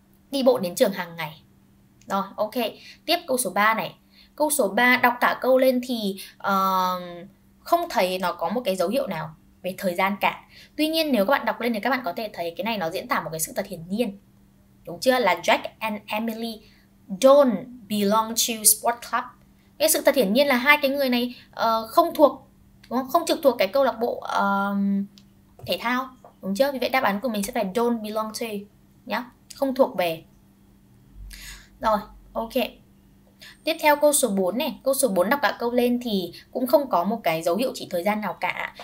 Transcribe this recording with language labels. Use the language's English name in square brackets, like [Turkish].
[Vietnamese] Đi bộ đến trường hàng ngày. Rồi, ok. Tiếp câu số 3 này. Câu số 3 đọc cả câu lên thì không thấy nó có một cái dấu hiệu nào về thời gian cả. Tuy nhiên nếu các bạn đọc lên thì các bạn có thể thấy cái này nó diễn tả một cái sự thật hiển nhiên. Đúng chưa? [English] Là Jack and Emily don't belong to sport club. [Vietnamese] Cái sự thật hiển nhiên là hai cái người này không trực thuộc cái câu lạc bộ thể thao. Đúng chưa? Vì vậy đáp án của mình sẽ phải [English] don't belong to. [Vietnamese] Nhá. Không thuộc về. Rồi, ok. Tiếp theo câu số 4 này, câu số 4 đọc cả câu lên thì cũng không có một cái dấu hiệu chỉ thời gian nào cả.